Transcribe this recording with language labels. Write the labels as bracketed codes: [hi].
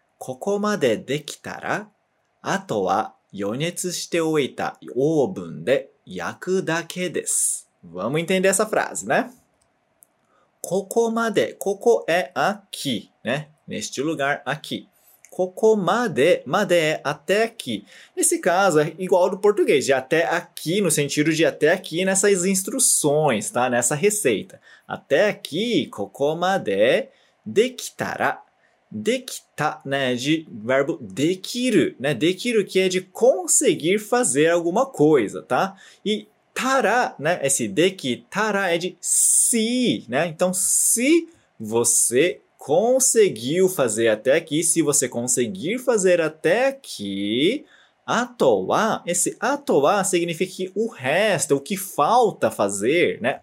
[ja] ここまでできたら、あとは予熱しておいたオーブンで焼くだけです。 [pt] Vamos entender essa frase, né? ここまで、ここ é aqui, né? Neste lugar, aqui. ここまで、até aqui. Nesse caso, é igual do português, de até aqui, no sentido de até aqui, nessas instruções, tá? Nessa receita. Até aqui, ここまで、できたら、できた、né? De verbo できる, né? できる que é de conseguir fazer alguma coisa, tá? E tara, né? Esse できたら é de se, né? Então, se você conseguiu fazer até aqui, se você conseguir fazer até aqui, atoa, esse atoa significa que o resto, o que falta fazer, né?